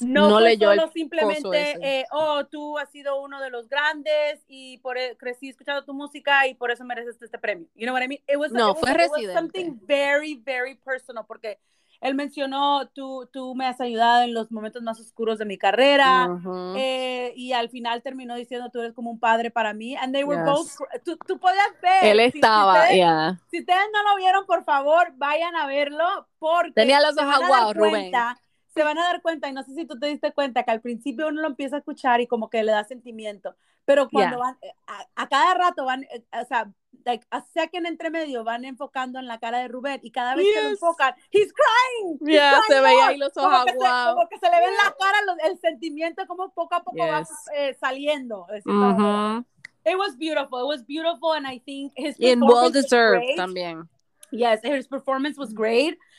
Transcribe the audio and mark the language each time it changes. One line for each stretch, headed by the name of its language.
Spanish: No fue leyó solo simplemente, tú has sido uno de los grandes y crecí escuchando tu música y por eso mereces este premio.
English: You know what I mean? It was something very, very personal,
Spanish: porque él mencionó, tú me has ayudado en los momentos más oscuros de mi carrera. Y al final terminó diciendo, tú eres como un padre para mí.
English: And they were both,
Spanish: tú podías ver. Él estaba, Si ustedes no lo vieron, por favor, vayan a verlo. Porque tenía los ojos aguados, Rubén. Se van a dar cuenta, y no sé si tú te diste cuenta, que al principio uno lo empieza a escuchar y como que le da sentimiento. Pero cuando van, a cada rato van, o sea,
English: like a second
Spanish: entre medio van enfocando en la cara de Rubén y cada vez que lo enfocan,
English: he's crying.
Spanish: Crying se veía ahí los ojos aguados. Como que se le ve en la cara el sentimiento, como poco a poco va saliendo.
English: It was beautiful. It was beautiful, and I think his performance was great. Well deserved también. Yes, his performance was great.